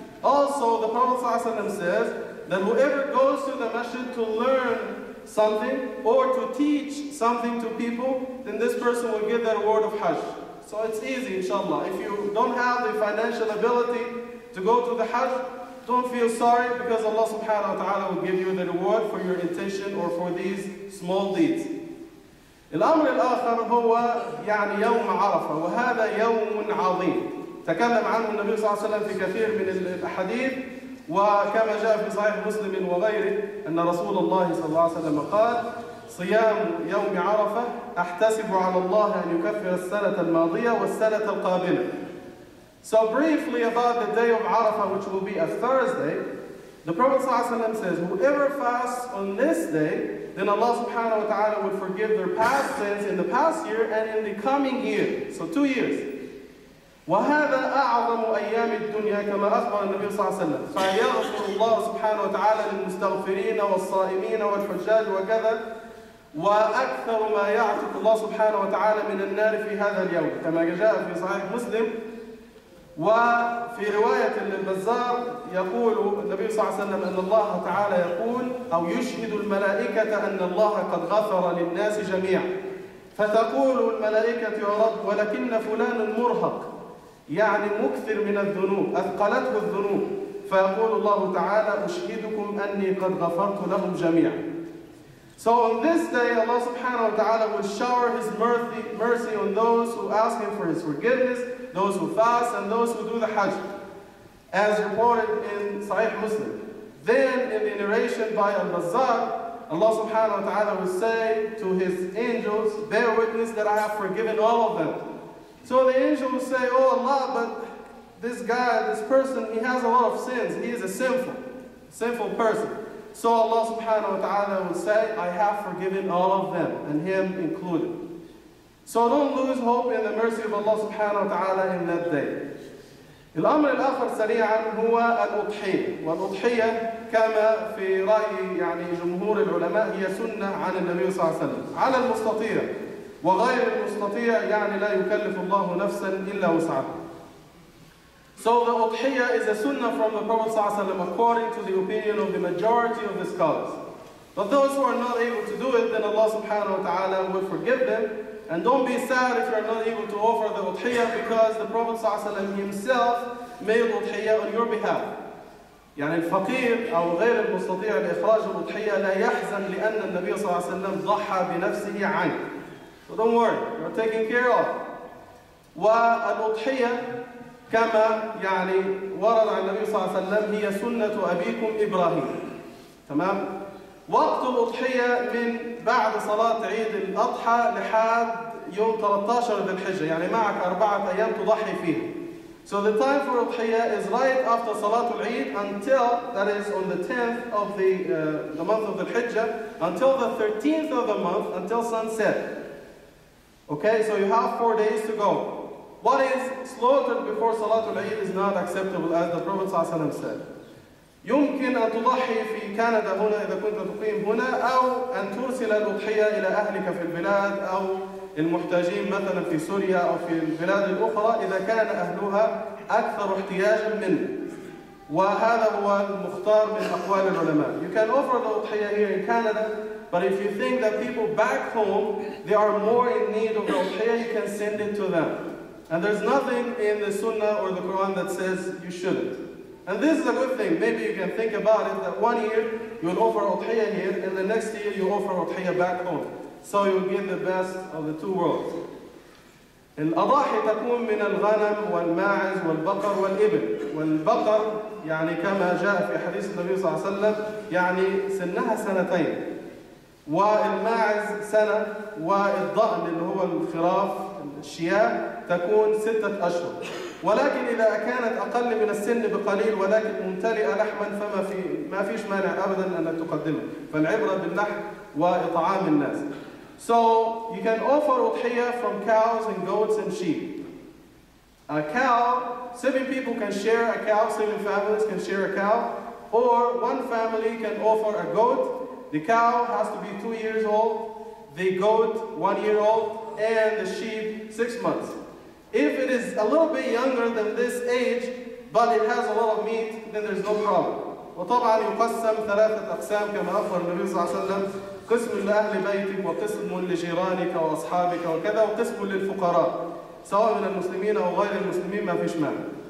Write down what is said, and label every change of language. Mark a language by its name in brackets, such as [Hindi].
[English] Also the Prophet صلى الله عليه وسلم says that whoever goes to the masjid to learn something or to teach something to people, then this person will get the reward of Hajj. So it's easy, inshallah. If you don't have the financial ability to go to the Hajj, don't feel sorry because Allah subhanahu wa ta'ala will give you the reward for your intention or for these small deeds. [Arabic] الأمر الآخر هو يعني يوم عرفة وهذا يوم عظيم. تكلم عنه النبي صلى الله عليه وسلم في كثير من الأحاديث وكما جاء في صحيح مسلم وغيره أن رسول الله صلى الله عليه وسلم قال: صيام يوم عرفة أحتسب على الله أن يكفر السنة الماضية والسنة القابلة. [English] So briefly about the day of Arafah, which will be a Thursday, the Prophet صلى الله عليه وسلم says, whoever fasts on this day, then Allah subhanahu wa ta'ala would forgive their past sins in the past year and in the coming year. So 2 years. [Arabic] وهذا أعظم أيام الدنيا كما أخبر النبي صلى الله عليه وسلم فيغفر الله سبحانه وتعالى للمستغفرين والصائمين والحجاج وكذا وأكثر ما يعتق الله سبحانه وتعالى من النار في هذا اليوم كما جاء في صحيح مسلم وفي رواية للبزار يقول النبي صلى الله عليه وسلم أن الله تعالى يقول أو يشهد الملائكة أن الله قد غفر للناس جميعا فتقول الملائكة يا رب ولكن فلان مرهق يعني مكثر من الذنوب أثقلته الذنوب فيقول الله تعالى أشهدكم أني قد غفرت لهم جميعا. [English] So on this day Allah subhanahu wa ta'ala will shower his mercy on those who ask him for his forgiveness, those who fast and those who do the hajj, as reported in Sahih Muslim. Then in the narration by Al-Bazzar, Allah subhanahu wa ta'ala will say to his angels, bear witness that I have forgiven all of them. So the angel will say, oh Allah, but this guy, this person, he has a lot of sins. He is a sinful person. So Allah subhanahu wa ta'ala will say, I have forgiven all of them, and him included. So don't lose hope in the mercy of Allah subhanahu wa ta'ala in that day. [Arabic] الأمر الآخر سريعا هو الأضحية. والأضحية كما في رأي يعني جمهور العلماء هي سنة عن النبي صلى الله عليه وسلم على المستطيع. وغير المستطيع يعني لا يكلف الله نفسا إلا وسعها. [English] So the udhiyah is a sunnah from the Prophet صلى الله عليه وسلم according to the opinion of the majority of the scholars. But those who are not able to do it, then Allah subhanahu wa ta'ala will forgive them. And don't be sad if you are not able to offer the udhiyah because the Prophet صلى الله عليه وسلم himself made udhiyah on your behalf. [Arabic] يعني الفقير أو غير المستطيع لإخراج udhiyah لا يحزن لأن النبي صلى الله عليه وسلم ضحى بنفسه عنك. [English] So don't worry, you're taken care of. [Arabic] والأضحية كما يعني ورد عن النبي صلى الله عليه وسلم هي سنة أبيكم إبراهيم. تمام؟ وقت الأضحية من بعد صلاة عيد الأضحى لحد يوم 13 ذي الحجة، يعني معك أربعة أيام تضحي فيها. [English] So the time for أضحية is right after [Arabic] صلاة العيد [English] until that is on the 10th of the month of the Hijjah until the 13th of the month until sunset. Okay, so you have 4 days to go. What is slaughter before Salatul Eid is not acceptable, as the Prophet ﷺ said. [Arabic] يمكن أن تضحي في كندا هنا إذا كنت تقيم هنا أو أن ترسل الأضحية إلى أهلك في البلاد أو المحتاجين مثلا في سوريا أو في البلاد الأخرى إذا كان أهلها أكثر احتياجا منه. وهذا هو المختار من أقوال العلماء. [English] You can offer the أضحية here in Canada, but if you think that people back home, they are more in need of the أضحية, you can send it to them. And there's nothing in the Sunnah or the Quran that says you shouldn't. And this is a good thing. Maybe you can think about it, that 1 year you'll offer Udhiyya here, and the next year you offer Udhiyya back home. So you'll give the best of the two worlds. [Arabic] الأضاحي تكون من الغنم والماعز والبقر والإبل. والبقر يعني كما جاء في حديث النبي صلى الله عليه وسلم يعني سنها سنتين. والماعز سنة والضأن اللي هو الخراف الشياه تكون 6 أشهر. ولكن إذا كانت أقل من السن بقليل ولكن ممتلئة لحما فما في ما فيش مانع أبدا أن تقدمه. فالعبرة باللحم وإطعام الناس. [English] So you can offer أضحية from cows and goats and sheep. A cow, 7 people can share a cow, 7 families can share a cow, or 1 family can offer a goat. The cow has to be 2 years old, the goat 1 year old, and the sheep 6 months. If it is a little bit younger than this age, but it has a lot of meat, then there's no problem. [Arabic] وطبعا يقسم 3 أقسام كما أخبر النبي صلى الله عليه وسلم: قسم لأهل بيتك وقسم لجيرانك وأصحابك وكذا وقسم للفقراء سواء من المسلمين أو غير المسلمين ما فيش مانع.